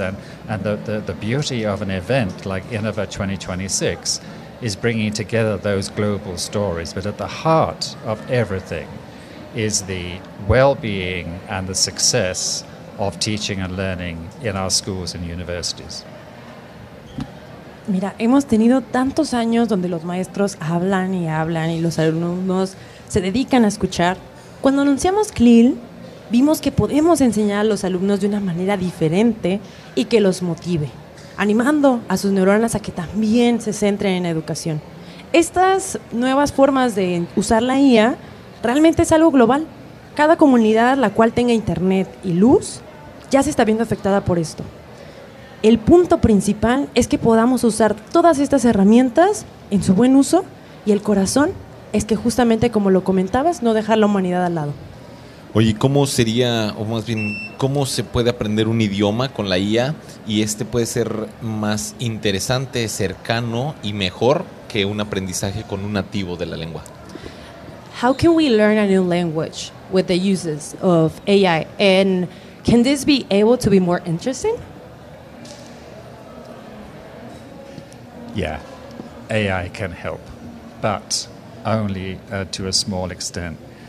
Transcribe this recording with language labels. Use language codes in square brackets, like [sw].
[en] And the beauty of an event like Innova 2026 is bringing together those global stories. But at the heart of everything is the well-being and the success of teaching and learning in our schools and universities. [es] Mira, hemos tenido tantos años donde los maestros hablan y hablan y los alumnos se dedican a escuchar. Cuando anunciamos CLIL, vimos que podemos enseñar a los alumnos de una manera diferente y que los motive, animando a sus neuronas a que también se centren en educación. Estas nuevas formas de usar la IA realmente es algo global. Cada comunidad la cual tenga internet y luz ya se está viendo afectada por esto. El punto principal es que podamos usar todas estas herramientas en su buen uso, y el corazón es que justamente como lo comentabas, no dejar la humanidad al lado. Oye, ¿cómo sería, o más bien, cómo se puede aprender un idioma con la IA? ¿Y este puede ser más interesante, cercano y mejor que un aprendizaje con un nativo de la lengua? [en] How can we learn a new language with the uses of AI? And can this be able to be more interesting? Yeah, AI can help, but only to a small extent.